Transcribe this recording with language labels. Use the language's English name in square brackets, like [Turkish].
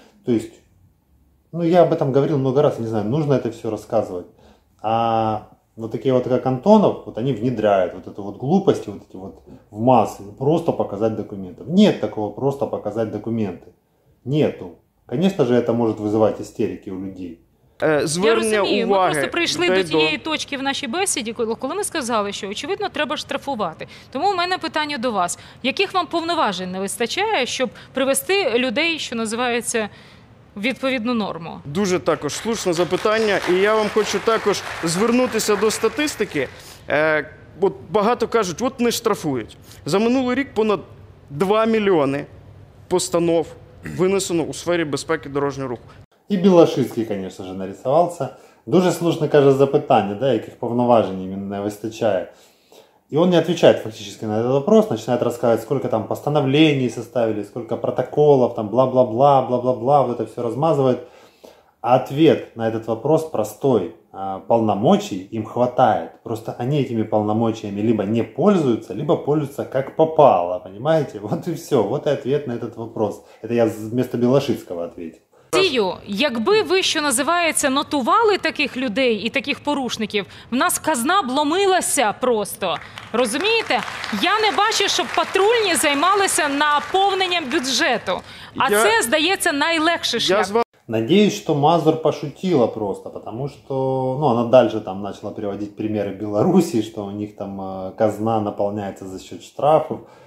[Russian] То есть, я об этом говорил много раз, не знаю, нужно это все рассказывать. А вот такие вот, как Антонов, вот они внедряют вот эту вот глупость, вот эти вот в массы, просто показать документы. Нет такого, просто показать документы. Нету. Конечно же, это может вызывать истерики у людей. [Ukrainian] звернення уваги. Я розумію, ми просто прийшли до тієї точки в нашій бесіді, коли ми сказали, що, очевидно, треба штрафувати. Тому у мене питання до вас. Яких вам повноважень не вистачає, щоб привести людей, що називається, в відповідну норму? Дуже також слушне запитання. І я вам хочу також звернутися до статистики. От багато кажуть, от не штрафують. За минулий рік понад 2 мільйони постанов винесено у сфері безпеки дорожнього руху. І Білашинський, звісно ж, нарисувався. Дуже слушне каже запитання, да, яких повноважень їм не вистачає. І він не відповідає фактично на цей питання, починає розказувати, скільки там постановлень составили, скільки протоколів, там бла-бла-бла, бла-бла-бла, [Russian] вот это все [Ukrainian] розмазує. [Russian] А ответ на этот вопрос простой. Полномочий им хватает. Просто они этими полномочиями либо не пользуются, либо пользуются как попало. Понимаете? Вот и все. Вот и ответ на этот вопрос. Это я вместо Белашинского ответил. [Ukrainian] Сію, якби ви, що називається, нотували таких людей і таких порушників, в нас казна б ломилася просто. Розумієте? Я не бачу, щоб патрульні займалися наповненням бюджету. Це, здається, найлегший шлях. [Russian] Надеюсь, что Мазур пошутила просто, потому что, ну, она дальше там начала приводить примеры Белоруссии, что у них там казна наполняется за счет штрафов.